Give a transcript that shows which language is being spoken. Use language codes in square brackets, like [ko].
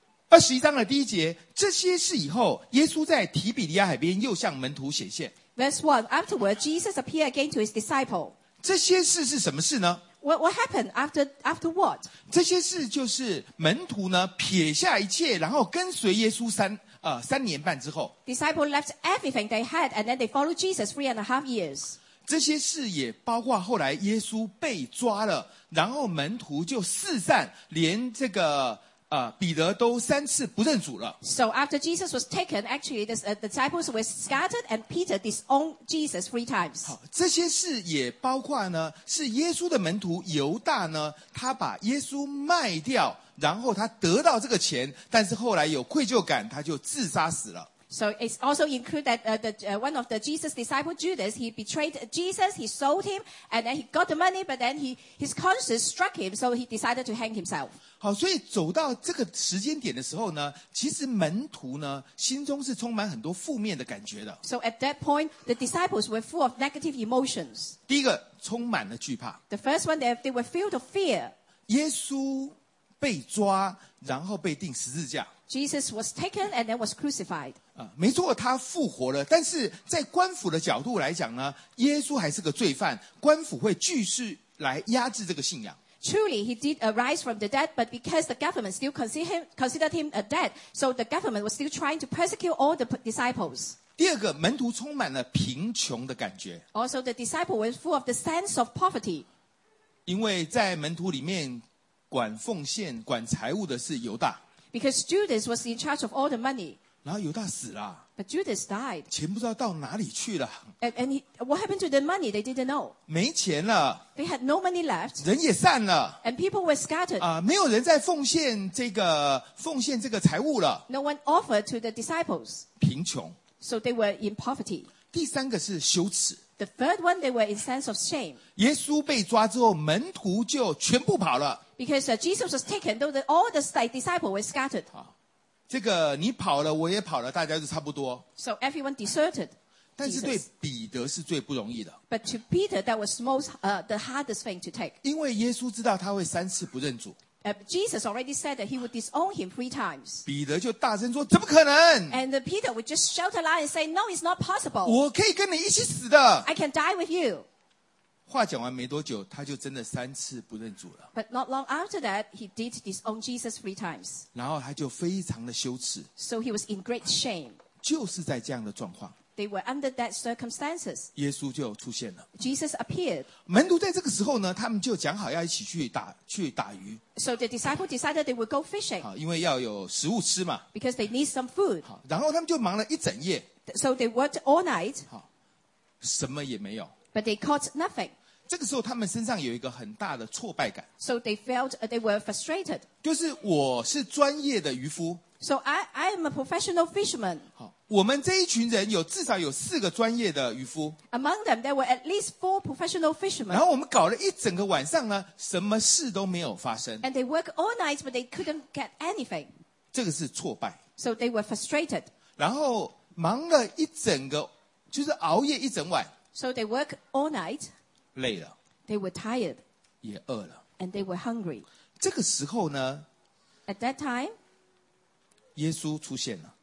[zh] 21章的第一节，这些事以后，耶稣在提比利亚海边又向门徒显现。 [en] Verse 1, afterward, Jesus appeared again to his disciple. [zh] 这些事是什么事呢？ [en] What happened after what? [zh] 这些事就是门徒呢，撇下一切，然后跟随耶稣三年半之后。 [en] Disciple left everything they had, and then they followed Jesus 3.5 years. [zh] 这些事也包括后来耶稣被抓了，然后门徒就四散，连这个彼得都三次不认主了。 [en] So after Jesus was taken, actually the disciples were scattered and Peter disowned Jesus 3 times. [zh] 好，这些事也包括呢，是耶稣的门徒犹大呢，他把耶稣卖掉，然后他得到这个钱，但是后来有愧疚感，他就自杀死了。 [en] So it's also included that one of the Jesus' disciples, Judas, he betrayed Jesus, he sold him, and then he got the money, but then his conscience struck him, so he decided to hang himself. [zh] 好，所以走到这个时间点的时候呢，其实门徒呢，心中是充满很多负面的感觉的。 [en] So at that point, the disciples were full of negative emotions. [zh] 第一个，充满了惧怕。 [en] The first one, they were filled with fear. [zh] 耶稣被抓，然后被钉十字架。 [en] Jesus was taken and then was crucified. [zh] 没错，他复活了，但是在官府的角度来讲呢，耶稣还是个罪犯，官府会继续来压制这个信仰。 [en] Truly, he did arise from the dead, but because the government still considered him a dead, so the government was still trying to persecute all the disciples. [zh] 第二个，门徒充满了贫穷的感觉。 [en] Also, the disciple was full of the sense of poverty. [zh] 因为在门徒里面，管奉献、管财务的是犹大。 [en] Because Judas was in charge of all the money. [zh] 然后犹大死了。 [en] But Judas died. [zh] 钱不知道到哪里去了。 [en] What happened to the money? They didn't know. [zh] 没钱了。 [en] They had no money left. [zh] 人也散了。 [en] And people were scattered. [zh] 没有人再奉献这个财物了。 [en] No one offered to the disciples. [zh] 贫穷。 [en] So they were in poverty. [zh] 第三个是羞耻。 [en] The third one, they were in sense of shame. [zh] 耶稣被抓之后，门徒就全部跑了。 [en] Because Jesus was taken, though all the disciples were scattered. [zh] 这个你跑了我也跑了大家就差不多。 [en] So everyone deserted. [zh] 但是对彼得是最不容易的。 [en] But to Peter, that was most, the hardest thing to take. [zh] 因为耶稣知道他会三次不认主。 [en] Jesus already said that he would disown him three times. [zh] 彼得就大声说怎么可能 [en] And Peter would just shout aloud and say, no, it's not possible. [zh] 我可以跟你一起死的。 [en] I can die with you. [zh] 话讲完没多久他就真的三次不认主了。 [en] But not long after that, he did disown Jesus three times. [zh] 然后他就非常的羞耻。 [en] So he was in great shame. [zh] 就是在这样的状况。 [en] They were under that circumstances. [zh] 耶稣就出现了。 [en] Jesus appeared. [zh] 门徒在这个时候呢，他们就讲好要一起去打鱼。 [en] So the disciples decided they would go fishing. [zh] 好，因为要有食物吃嘛。 [en] Because they need some food. [zh] 好，然后他们就忙了一整夜。 [en] So they worked all night. [zh] 好，什么也没有。 [en] But they caught nothing. [zh] 这个时候他们身上有一个很大的挫败感。 [en] So they felt they were frustrated. [zh] 就是我是专业的渔夫。 [en] So I am a professional fisherman. [zh] 好，我们这一群人有至少有四个专业的渔夫。 [en] Among them, there were at least four professional fishermen. [zh] 然后我们搞了一整个晚上呢，什么事都没有发生。 [en] And they worked all night, but they couldn't get anything. [zh] 这个是挫败。 [en] So they were frustrated. [zh] 然后忙了一整个，就是熬夜一整晚。 [en] So they worked all night. [zh] 累了。 [en] They were tired. [zh] 也饿了。 [en] And they were hungry. [zh] 这个时候呢 [en] ？At that time. [zh] 耶稣出现了。